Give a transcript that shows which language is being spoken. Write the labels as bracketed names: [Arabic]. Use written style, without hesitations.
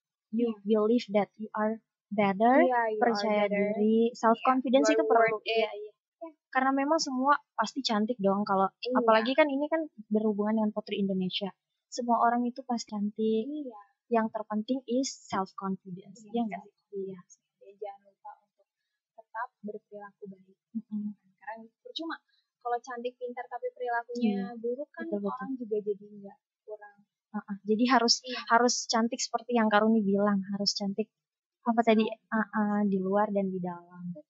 [English] You believe that you are better. [Indonesian] Percaya [English] are better. [Indonesian] Diri, self confidence itu perlu. Yeah. Karena memang semua pasti cantik dong kalau, apalagi kan ini kan berhubungan dengan putri Indonesia. Semua orang itu pasti cantik. [English] Yang terpenting is self confidence. [Indonesian] Ya enggak sih? Iya. Jangan lupa untuk tetap berperilaku baik. Karena percuma kalau cantik pintar tapi perilakunya buruk kan, betul-betul. Orang juga jadi nggak kurang jadi harus harus cantik seperti yang Kak Rumi bilang, harus cantik apa tadi di luar dan di dalam.